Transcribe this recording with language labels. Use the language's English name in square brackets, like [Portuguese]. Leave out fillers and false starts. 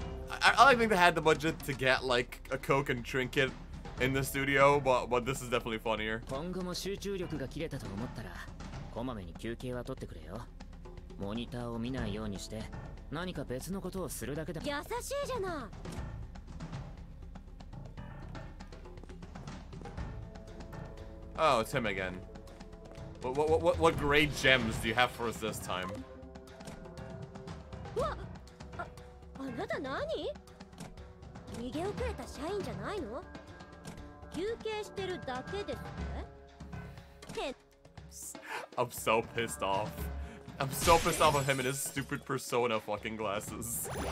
[English] I like think they had the budget to get like a Coke and trinket in the studio, but this is definitely funnier. [Japanese] 今後も集中力が切れたと思ったら、こまめに休憩は取ってくれよ。モニターを見ないようにして、何か別のことをするだけだ。優しいじゃない [English] 。 Oh, it's him again. What great gems do you have for us this time? [Japanese] あなた何？逃げ遅れた社員じゃないの？休憩してるだけですって？ [English] I'm so pissed off. I'm so pissed off of him and his stupid persona fucking glasses.